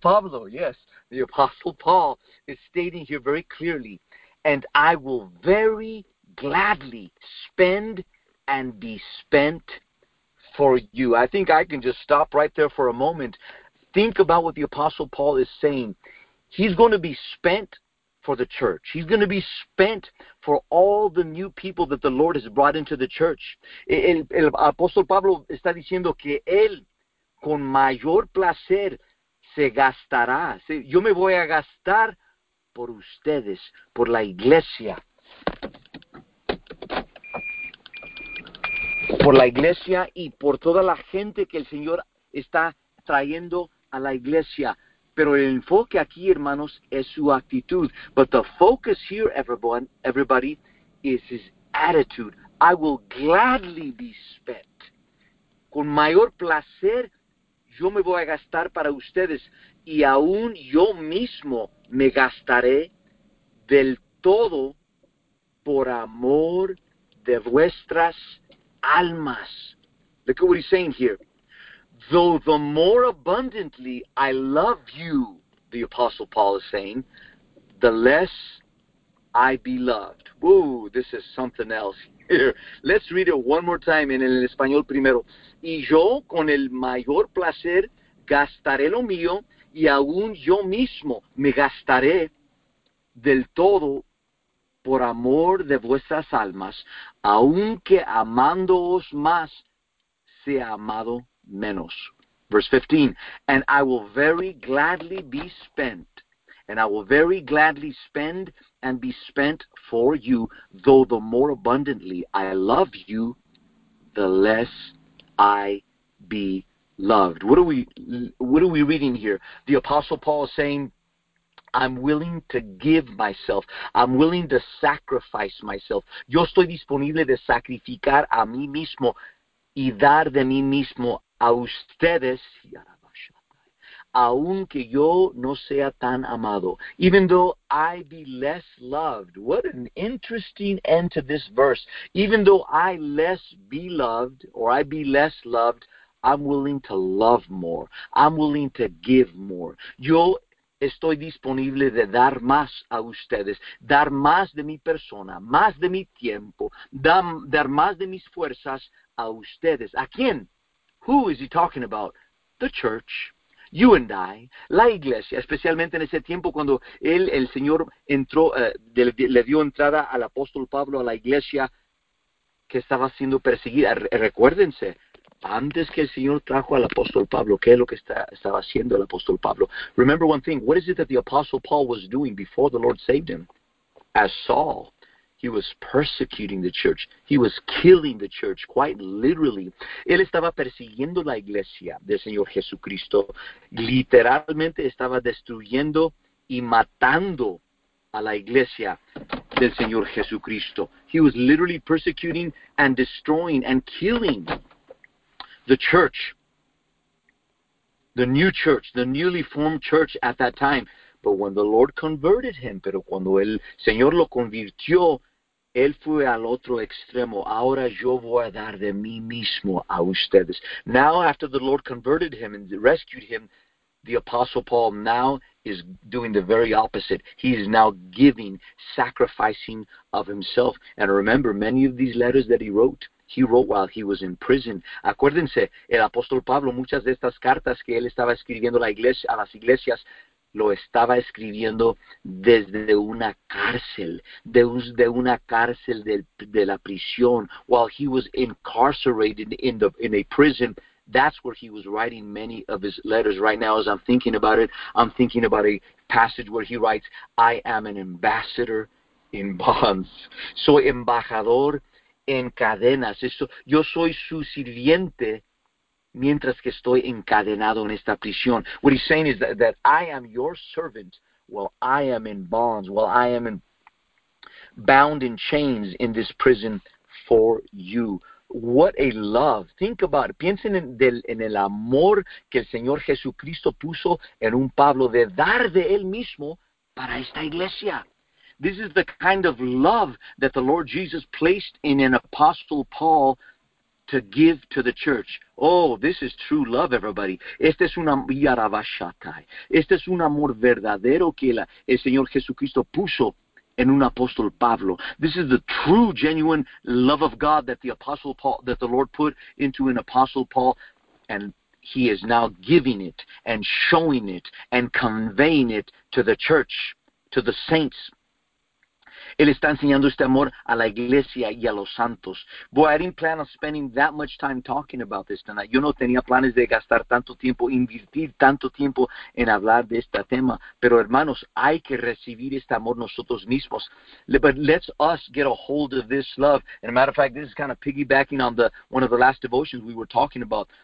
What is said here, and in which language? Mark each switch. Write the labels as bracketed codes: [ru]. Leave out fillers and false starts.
[en] The apostle Paul is stating here very clearly, and I will very gladly spend and be spent for you. I think I can just stop right there for a moment. Think about what the apostle Paul is saying. He's going to be spent for the church. He's going to be spent for all the new people that the Lord has brought into the church. [es] El apóstol Pablo está diciendo que él con mayor placer se gastará. ¿Sí? Yo me voy a gastar por ustedes, por la iglesia. Por la iglesia y por toda la gente que el Señor está trayendo a la iglesia. Pero el enfoque aquí, hermanos, es su actitud. [en] But the focus here, everybody, is his attitude. I will gladly be spent. [es] Con mayor placer, yo me voy a gastar para ustedes. Y aún yo mismo me gastaré del todo por amor de vuestras almas. [en] Look at what he's saying here. Though the more abundantly I love you, the Apostle Paul is saying, the less I beloved. Whoa, this is something else here. Let's read it one more time [es] en el español primero. Y yo con el mayor placer gastaré lo mío y aún yo mismo me gastaré del todo por amor de vuestras almas, aunque amándoos más sea amado menos. [en] Verse 15. And I will very gladly be spent, and I will very gladly spend and be spent for you, though the more abundantly I love you, the less I be loved. What are we reading here? The Apostle Paul is saying, I'm willing to give myself. I'm willing to sacrifice myself. [es] Yo estoy disponible de sacrificar a mí mismo y dar de mí mismo a ustedes, aunque yo no sea tan amado. [en] Even though I be less loved. What an interesting end to this verse. Even though I less be loved, or I be less loved, I'm willing to love more. I'm willing to give more. [es] Yo estoy disponible de dar más a ustedes, dar más de mi persona, más de mi tiempo, dar más de mis fuerzas a ustedes. ¿A quién? [en] Who is he talking about? The church. You and I. [es] La iglesia, especialmente en ese tiempo cuando él, el Señor, entró, le dio entrada al apóstol Pablo a la iglesia que estaba siendo perseguida. Recuérdense, antes que el Señor trajo al apóstol Pablo, ¿qué es lo que estaba haciendo el apóstol Pablo? [en] Remember one thing. What is it that the apostle Paul was doing before the Lord saved him? As Saul, he was persecuting the church. He was killing the church, quite literally. [es] Él estaba persiguiendo la iglesia del Señor Jesucristo. Literalmente estaba destruyendo y matando a la iglesia del Señor Jesucristo. [en] He was literally persecuting and destroying and killing the church, the new church, the newly formed church at that time. But when the Lord converted him, [es] pero cuando el Señor lo convirtió, él fue al otro extremo. Ahora yo voy a dar de mí mismo a ustedes. [en] Now, after the Lord converted him and rescued him, the Apostle Paul now is doing the very opposite. He is now giving, sacrificing of himself. And remember, many of these letters that he wrote while he was in prison. [es] Acuérdense, el apóstol Pablo, muchas de estas cartas que él estaba escribiendo a las iglesias, lo estaba escribiendo desde una cárcel, de la prisión, [en] while he was incarcerated in a prison. That's where he was writing many of his letters. Right now, as I'm thinking about it, I'm thinking about a passage where he writes, I am an ambassador in bonds. [es] Soy embajador en cadenas. Eso, yo soy su sirviente mientras que estoy encadenado en esta prisión. [en] What he's saying is that I am your servant while I am in bonds, while I am bound in chains in this prison for you. What a love. Think about it. [es] Piensen en el amor que el Señor Jesucristo puso en un Pablo de dar de él mismo para esta iglesia. [en] This is the kind of love that the Lord Jesus placed in an apostle Paul to give to the church. Oh, this is true love, everybody. [es] Este es un yarabashatai. Este es un amor verdadero que el Señor Jesucristo puso en un apóstol Pablo. [en] This is the true, genuine love of God that the apostle Paul, that the Lord put into an apostle Paul, and he is now giving it and showing it and conveying it to the church, to the saints. [es] Él está enseñando este amor a la iglesia y a los santos. [en] Boy, I didn't plan on spending that much time talking about this tonight. [es] Yo no tenía planes de gastar tanto tiempo, invertir tanto tiempo en hablar de este tema. Pero hermanos, hay que recibir este amor nosotros mismos. [en] But let's us get a hold of this love. And a matter of fact, this is kind of piggybacking on one of the last devotions we were talking about.